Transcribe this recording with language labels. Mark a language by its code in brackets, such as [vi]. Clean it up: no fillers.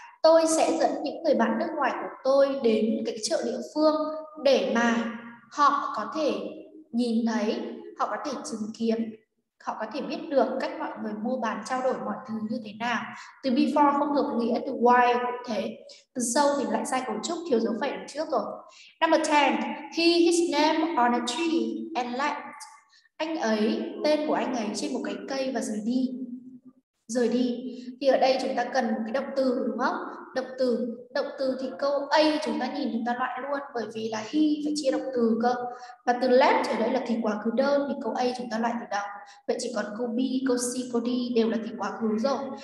[vi] Tôi sẽ dẫn những người bạn nước ngoài của tôi đến cái chợ địa phương để mà họ có thể nhìn thấy, họ có thể chứng kiến, họ có thể biết được cách mọi người mua bán, trao đổi mọi thứ như thế nào. Từ before không hợp nghĩa, từ why cũng thế. Từ so thì lại sai cấu trúc, thiếu dấu phẩy đằng trước rồi. [en] Number 10, he his name on a tree and left. [vi] Anh ấy, tên của anh ấy trên một cái cây và rời đi. Rời đi. Thì ở đây chúng ta cần một cái động từ đúng không? Động từ thì câu A chúng ta nhìn chúng ta loại luôn, bởi vì là he phải chia động từ cơ. Và từ left ở đây là thì quá khứ đơn, thì câu A chúng ta loại từ đầu. Vậy chỉ còn câu B, câu C, câu D đều là thì quá khứ rồi.